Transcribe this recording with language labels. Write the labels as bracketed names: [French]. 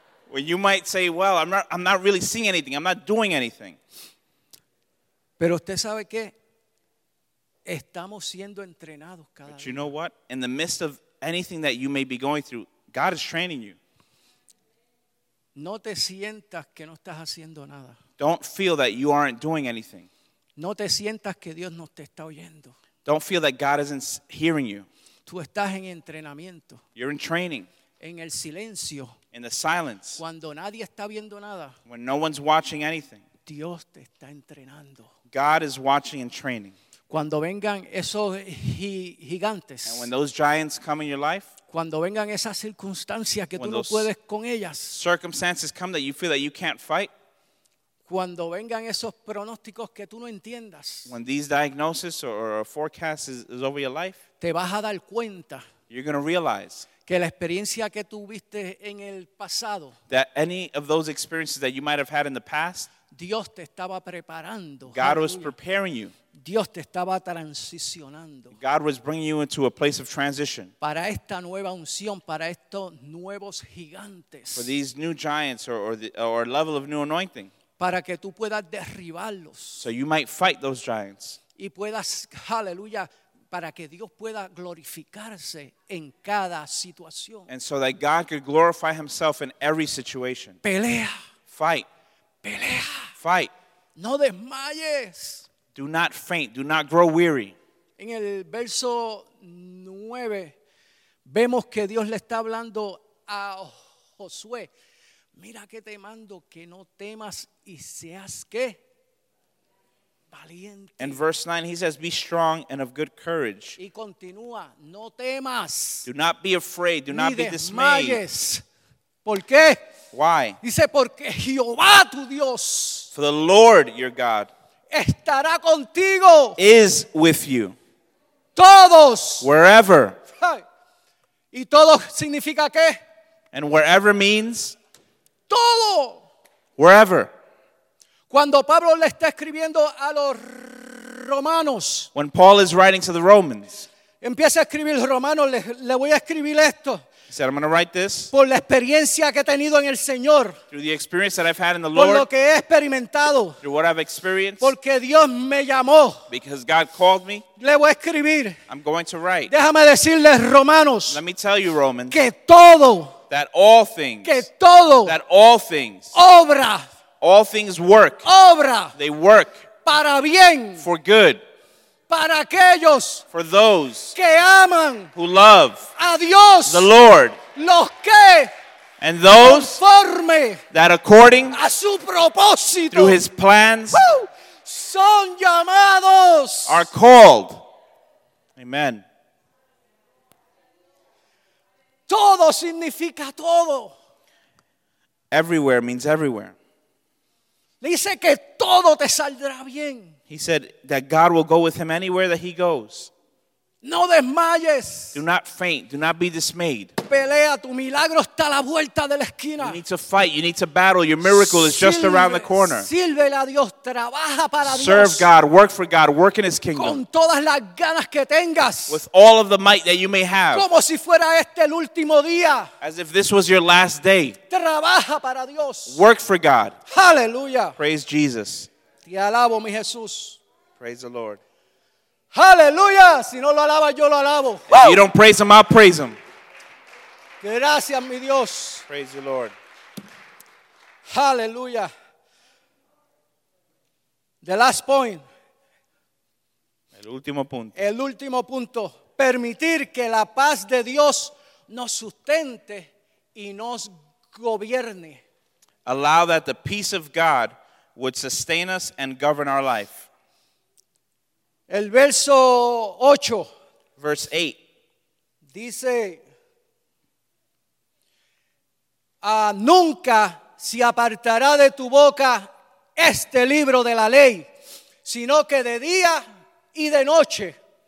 [English] When you might say, well, I'm not really seeing anything, I'm not doing anything. [Spanish] Pero usted sabe que estamos siendo entrenados cada [English] But you know what? In the midst of anything that you may be going through, God is training you. [Spanish] No te sientas que no estás haciendo nada. [English] Don't feel that you aren't doing anything. [Spanish] No te sientas que Dios no te está oyendo. [English] Don't feel that God isn't hearing you. [Spanish] Tú estás en entrenamiento. [English] You're in training. [Spanish] En el silencio. [English] In the silence. [Spanish] Cuando nadie está viendo nada. [English] When no one's watching anything. [Spanish] Dios te está entrenando. [English] God is watching and training. [Spanish] Cuando vengan esos gigantes. [English] And when those giants come in your life. [Spanish] Cuando vengan esas circunstancias que tú no puedes con ellas. [English] Circumstances come that you feel that you can't fight. [Spanish] Cuando vengan esos pronósticos que tú no entiendas, [English] when these diagnoses or forecasts is over your life, [Spanish] te vas a dar cuenta, [English] you're going to realize, [Spanish] que la experiencia que tuviste en el pasado, [English] that any of those experiences that you might have had in the past, [Spanish] Dios te estaba preparando. [English] God was preparing you. [Spanish] Dios te estaba transicionando. [English] God was bringing you into a place of transition. [Spanish] Para esta nueva unción, para estos nuevos gigantes. [English] For these new giants or level of new anointing. [Spanish] Para que tú puedas derribarlos. [English] So you might fight those giants. [Spanish] Y puedas, aleluya, para que Dios pueda glorificarse en cada situación. [English] And so that God could glorify himself in every situation. [Spanish] Pelea. [English] Fight. [Spanish] Pelea. [English] Fight. [Spanish] No desmayes. [English] Do not faint. Do not grow weary. [Spanish] En el verso 9, vemos que Dios le está hablando a Josué. Mira que te mando que no temas y seas qué? Valiente. [English] In verse 9, he says, be strong and of good courage. [Spanish] Y continúa, no temas. [English] Do not be afraid. Do [Spanish] ni [English] not be [Spanish] desmayes. [English] Dismayed. [Spanish] ¿Por qué? [English] Why? [Spanish] Dice, porque Jehová tu Dios. [English] For the Lord your God. [Spanish] Estará contigo. [English] Is with you. [Spanish] Todos. [English] Wherever. [Spanish] Y todo significa qué? [English] And wherever means? [Spanish] Todo. [English] Wherever. [Spanish] Cuando Pablo le está escribiendo a los romanos. [English] When Paul is writing to the Romans. [Spanish] Empieza a escribir los romanos, le voy a escribir esto. [English] He said, I'm going to write this. [Spanish] Por la experiencia que he tenido en el Señor. [English] Through the experience that I've had in the Lord. [Spanish] Por lo que he experimentado. [English] Through what I've experienced. [Spanish] Porque Dios me llamó. [English] Because God called me. [Spanish] Le voy a escribir. [English] I'm going to write. [Spanish] Déjame decirles, romanos. [English] Let me tell you, Romans. [Spanish] Que todo. [English] That all things. [Spanish] Que todo. [English] That all things. [Spanish] Obra. [English] All things work. [Spanish] Obra. [English] They work. [Spanish] Para bien. [English] For good. [Spanish] Para aquellos, [English] for those [Spanish] que aman, [English] who love [Spanish] a Dios, [English] the Lord, [Spanish] los que, [English] and those [Spanish] conforme, [English] that according [Spanish] a su propósito, [English] through his plans, [Spanish] woo, son llamados, [English] are called. Amen. [Spanish] Todo significa todo. [English] Everywhere means everywhere. [Spanish] Le dice que todo te saldrá bien. [English] He said that God will go with him anywhere that he goes. [Spanish] No desmayes. [English] Do not faint. Do not be dismayed. [Spanish] Pelea, tu milagro está a la vuelta de la esquina. [English] You need to fight. You need to battle. Your miracle is just around the corner. [Spanish] Sírvele a Dios. Trabaja para Dios. [English] Serve God. Work for God. Work in his kingdom. [Spanish] Con todas las ganas que tengas. [English] With all of the might that you may have. [Spanish] Como si fuera este el último día. [English] As if this was your last day. [Spanish] Trabaja para Dios. [English] Work for God. Hallelujah. Praise Jesus. [Spanish] Y alabo mi Jesús. [English] Praise the Lord. [Spanish] Hallelujah. Si no lo alaba, yo lo alabo. [English] If you don't praise him, I'll praise him. [Spanish] Gracias, mi Dios. [English] Praise the Lord. Hallelujah. The last point. [Spanish] El último punto. El último punto. Permitir que la paz de Dios nos sustente y nos gobierne. [English] Allow that the peace of God would sustain us and govern our life. [Spanish] El verso 8. [English] Verse 8. [Spanish] Dice, nunca se apartará de tu boca este libro de la ley, sino que de día y de noche.